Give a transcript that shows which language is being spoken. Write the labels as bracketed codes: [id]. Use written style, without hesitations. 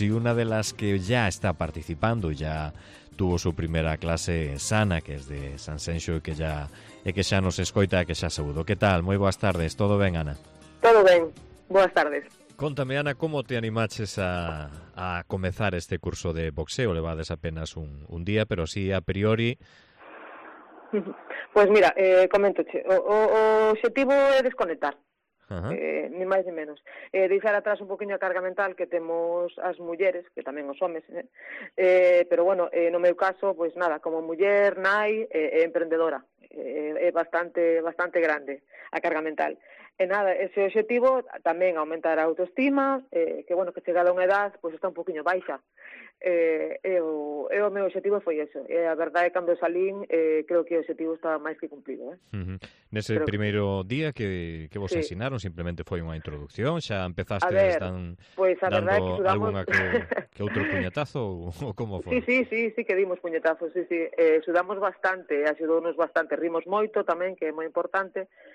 [es] Y una de las que ya está participando, ya tuvo su primera clase en Sana, que es de San Sancho, y que ya nos escoita, que ya saludo. ¿Qué tal? Muy buenas tardes. ¿Todo bien, Ana? Todo bien. Buenas tardes. [gl] Contame, Ana, ¿cómo te animaches a comenzar este curso de boxeo? Levades apenas un día, pero sí a priori. Pues mira, coméntoche. O objetivo é desconectar, ni máis ni menos. Deixar atrás un poquinho a carga mental que temos as mulleres, que tamén os homens. Pero bueno, no meu caso, pues nada, como muller, nai, emprendedora. Bastante grande a carga mental. E nada, ese objetivo tamén aumentar a autoestima, que bueno, que chegada a unha edad pues está un poquinho baixa. O meu objetivo foi eso. A verdade é cando salín, creo que o objetivo estaba máis que cumplido, Nese primeiro día que vos ensinaron, simplemente foi unha introducción, xa empezaste dando algunha que outro puñetazo ou como foi? Sí, que dimos puñetazos, sí. Sudamos bastante, axudounos bastante, rimos moito tamén, que é moi importante.